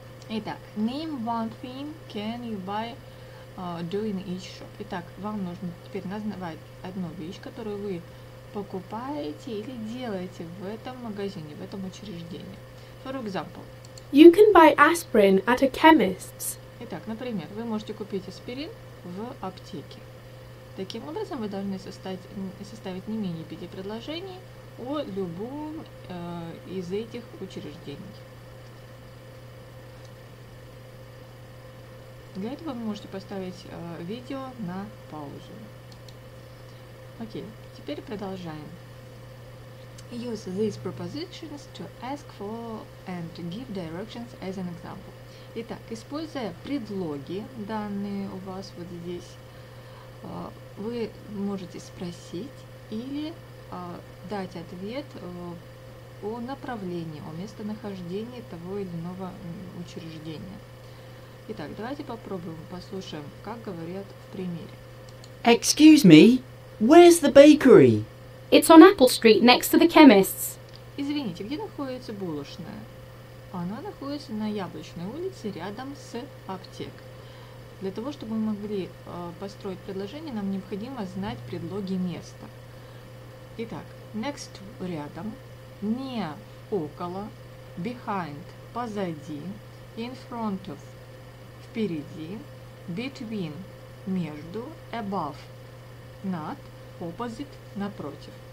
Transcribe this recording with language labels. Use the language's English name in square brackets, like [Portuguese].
[Russian] Итак, [English] name one thing can you buy doing each shop. [Russian] Итак, вам нужно теперь назвать одну вещь, которую вы покупаете или делаете в этом магазине, в этом учреждении. [English] For example. You can buy aspirin at a chemist's. [Russian] Итак, например, вы можете купить аспирин в аптеке. Таким образом, вы должны составить не менее 5 предложений о любом из этих учреждений. Для этого вы можете поставить видео на паузу. Окей, теперь продолжаем. [English] Use these propositions to ask for and give directions as an example. [Russian] Итак, используя предлоги, данные у вас вот здесь, вы можете спросить или дать ответ о направлении, о местонахождении того или иного учреждения. Итак, давайте попробуем, послушаем, как говорят в примере. [English] Excuse me, where's the bakery? It's on Apple Street, next to the chemists. [Russian] Извините, где находится булочная? Она находится на Яблочной улице, рядом с аптекой. Для того, чтобы мы могли построить предложение, нам необходимо знать предлоги места. Итак, next – рядом, near – около, behind – позади, in front of – впереди, between – между, above – над, opposite – напротив.